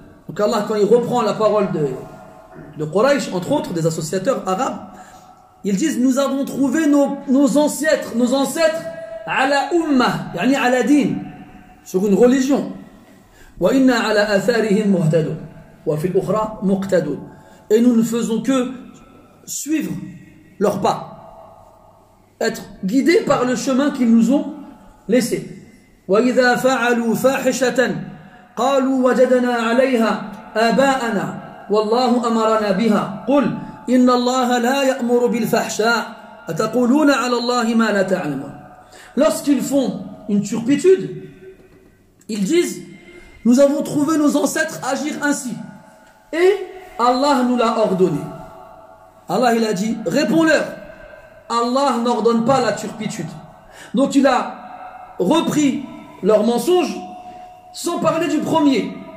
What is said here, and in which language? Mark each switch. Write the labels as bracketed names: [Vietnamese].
[French] Donc Allah, quand il reprend la parole de Quraysh, entre autres, des associateurs arabes, ils disent, nous avons trouvé nos ancêtres, [Arabic] ala umma, yani ala din, [French] sur une religion. [Arabic] Wa inna ala atharihim muhtadun, wa fil ukhra muqtadun. [French] Et nous ne faisons que suivre leurs pas, être guidés par le chemin qu'ils nous ont laissé. [Arabic] Wa idha fa'alu fahishatan, قالوا وجدنا عليها آباءنا والله أمرنا بها قل إن الله لا يأمر بالفحشاء أتقولون على الله ما لا تعلمون. [French] Lorsqu'ils font une turpitude, ils disent, nous avons trouvé nos ancêtres agir ainsi et Allah nous l'a ordonné. Allah, il a dit, réponds-leur, Allah n'ordonne pas la turpitude. Donc il a repris leur mensonge sans parler du premier,